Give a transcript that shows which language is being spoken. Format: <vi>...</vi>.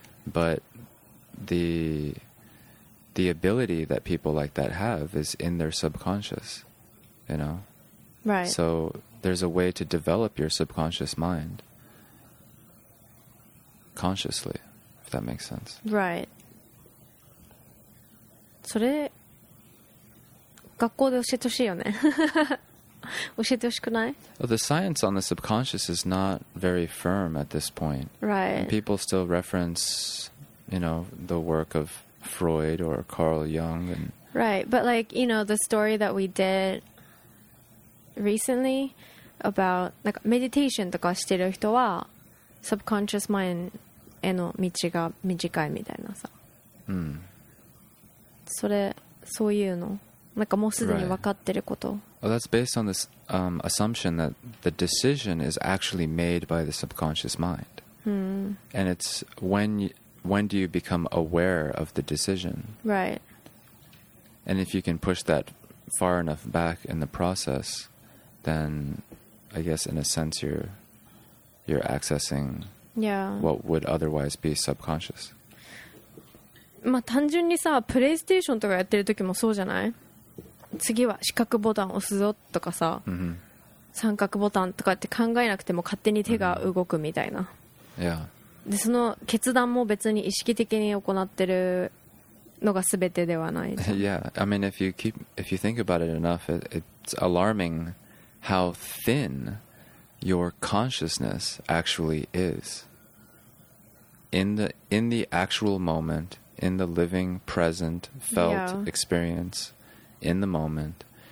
<en>But the ability that people like that have is in their subconscious, you know? Right. So there's a way to develop your subconscious mind consciously, if that makes sense. Right.</en> <ja>それ学校で教えてほしいよね。教えてほしくない?</ja> <en>Well, the science on the subconscious is not very firm at this point. Right. And people still reference, you know, the work of... Freud or Carl Jung and right, but like, you know, the story that we did recently about like meditation</en> <ja>とかしてる人は</ja> <en>subconscious mind</en> <ja>への道が短いみたいなさ、 mm. それそういうのなんかもうすでに分かってること、</ja> <en>right. Well, that's based on this assumption that the decision is actually made by the subconscious mind、 mm. and it's when do you become aware of the decision? Right. And if you can push that far enough back in the process, then I guess in a sense you're accessing yeah. what would otherwise be subconscious.</en> <ja>まあ単純にさ、プレイステーションとかやってる時もそうじゃない?次は四角ボタン押すぞとかさ、 mm-hmm. 三角ボタンとかって考えなくても勝手に手が動くみたいな、</ja> <en>yeah.</en> <ja>でその決断も別に意識的に行ってるのが全てではない。</ja> <en>Yeah, I mean if you think about it enough, it's alarming how thin your consciousness actually is in the actual moment, in the living present felt experience in the moment.</en>